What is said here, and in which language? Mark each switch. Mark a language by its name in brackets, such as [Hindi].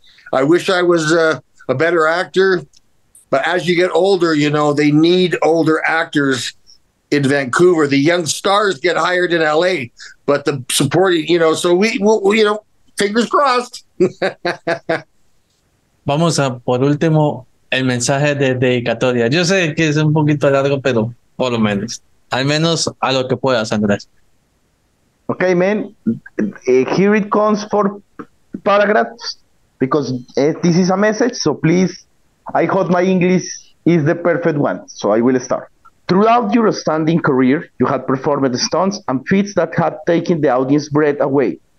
[English] I wish I was a better actor. But as you get older, you know, they need older actors in Vancouver. The young stars get hired in LA, but the supporting, you know, so we you know, fingers crossed." [Spanish] Vamos a, por último, el mensaje de dedicatoria. Yo sé que es un poquito largo, pero por lo menos. Al menos a lo que puedas, Andrés. [English] Okay, man. Here it comes for paragraphs, because this is a message, so please, I hope my English is the perfect one, so I will start. Throughout your outstanding career, you had performed stunts and feats that had taken the audience breath away.